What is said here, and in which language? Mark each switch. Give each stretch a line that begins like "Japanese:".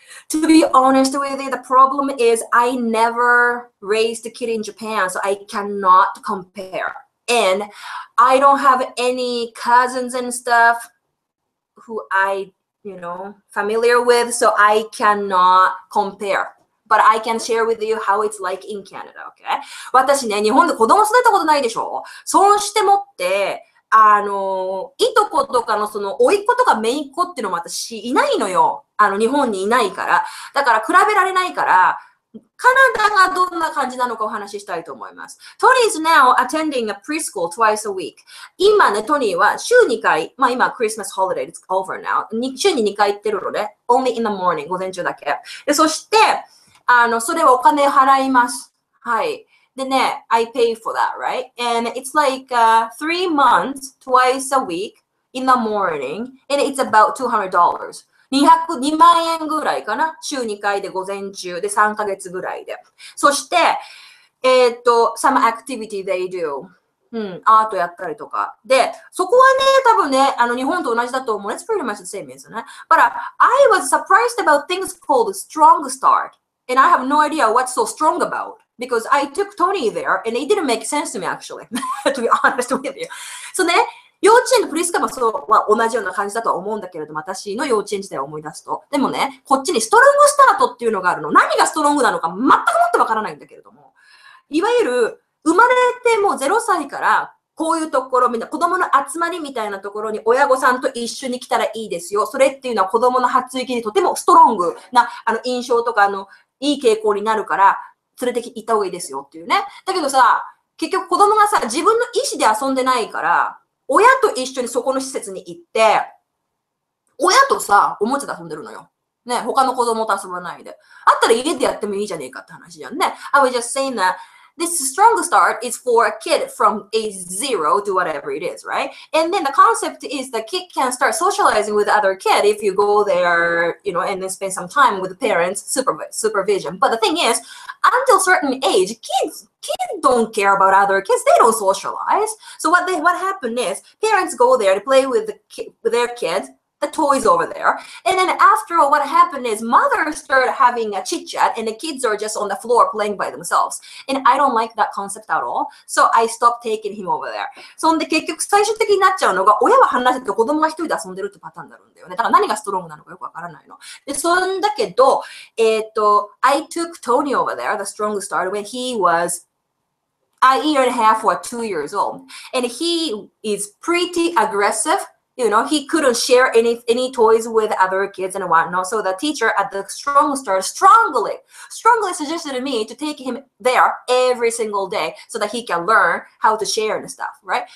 English: To be honest with you, the problem is I never raised a kid in Japan, so I cannot compare. And I don't have any cousins and stuff who I, you know, familiar with, so I cannot compare. But I can share with you how it's like in Canada, okay?
Japanese: 私ね、日本で子供育てたことないでしょ?そうしてもって、いとことかのその、甥っ子とか姪っ子っていうのも私いないのよ。日本にいないから。だから比べられないから、カナダがどんな感じなのかお話ししたいと思います。
English: トニー is now attending a preschool twice a week.
Japanese: 今ね、トニーは週2回、まあ今クリスマスホリデー、
English: it's over now.
Japanese: 週に2回行ってるので、
English: only in the morning,
Japanese: 午前中だけ。で、そして、それはお金払います。
English: はい。でね、I pay for that, right? And it's like three months, twice a week, in the morning, and it's about $200.
Japanese: 2万円ぐらいかな週2回で午前中で3ヶ月ぐらいで。
English: そして、some activity they do.
Japanese: うん、アートやったりとか。で、そこはね、多分ね、日本と同じだと思う。
English: It's pretty much the same, isn't it? But I was surprised about things called strong start. And I have no idea what's so strong about. Because I took Tony there, and it didn't make sense to me, actually. to be honest with you.
Japanese: So ね、幼稚園とプリスカもそうは同じような感じだとは思うんだけれども、私の幼稚園時代を思い出すと。でもね、こっちにストロングスタートっていうのがあるの。何がストロングなのか全くもってわからないんだけれども。いわゆる、生まれてもう0歳から、こういうところ、みんな、子供の集まりみたいなところに親御さんと一緒に来たらいいですよ。それっていうのは子供の発育にとてもストロングな、印象とか、いい傾向になるから、連れて行った方がいいですよっていうね。だけどさ、結局子供がさ、自分の意思で遊んでないから、親と一緒にそこの施設に行って、親とさ、おもちゃで遊んでるのよ。ね、他の子供と遊ばないで。あったら家でやってもいいじゃねえかって話じゃんね。
English: I was just saying that this strong start is for a kid from age zero to whatever it is, right? And then the concept is the kid can start socializing with other kid if you go there, you know, and then spend some time with the parents, supervision. But the thing is, until certain age, kids don't care about other kids. They don't socialize. So what happened is, parents go there to play with their kids, the toys over there. And then after all, what happened is, mothers start having a chitchat, and the kids are just on the floor playing by themselves. And I don't like that concept at all. So I stopped taking him over there.
Japanese: そんで結局最終的になっちゃうのが、親は話せて子供が一人で遊んでるってパターンになるんだよね。だから何がストロングなのかよくわからないの。で、そんだけど、
English: I took Tony over there, the strong start, when he was... A year and a half or 2 years old. And he is pretty aggressive. You know, he couldn't share any toys with other kids and whatnot. So the teacher at the strong start strongly suggested me to take him there every single day so that he can learn how to share and stuff, right?